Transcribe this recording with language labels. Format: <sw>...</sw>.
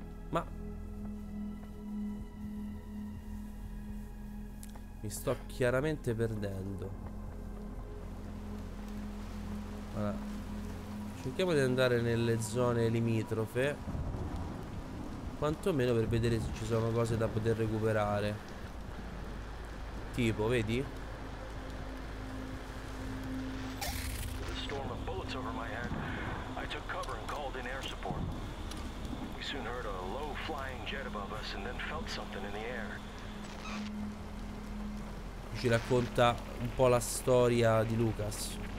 <it>Ma mi sto chiaramente perdendo. Allora, cerchiamo di andare nelle zone limitrofe, quantomeno per vedere se ci sono cose da poter recuperare. Tipo, vedi?</it> <en>The storm of bullets over my head. I took cover and called in air support. We soon heard a low flying jet above us and then felt something in the air.</en> <it>Ci racconta un po' la storia di Lucas.</it>